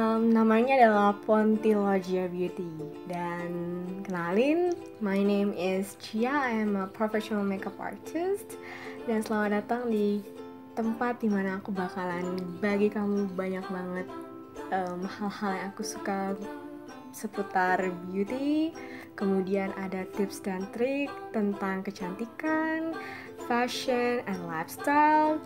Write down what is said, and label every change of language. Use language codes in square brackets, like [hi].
[id] Namanya adalah Pontilogia Beauty. Dan kenalin, [en] my name is Chia. I am a professional makeup artist. [id] Dan selamat datang di tempat dimana aku bakalan bagi kamu banyak banget hal-hal yang aku suka seputar beauty. Kemudian ada tips dan trik tentang kecantikan, [en] fashion and lifestyle.